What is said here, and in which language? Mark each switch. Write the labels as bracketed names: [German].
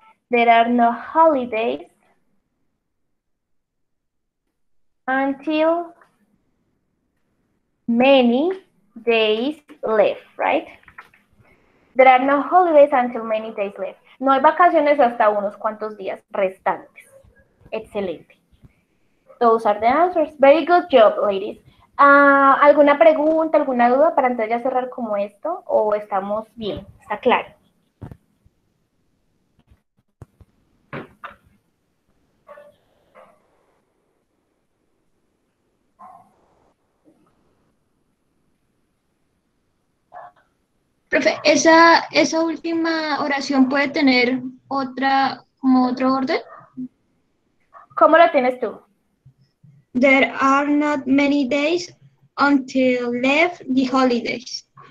[English] There are no holidays until many days left, right? There are no holidays until many days left. [Spanish] No hay vacaciones hasta unos cuantos días restantes. Excelente. [English] Those are the answers. Very good job, ladies. [Spanish] ¿Alguna pregunta, alguna duda para entonces ya cerrar como esto? ¿O estamos bien? ¿Está claro? Profe, ¿esa última oración puede tener otra, como otro orden? ¿Cómo la tienes tú? [English] There are not many days until left the holidays.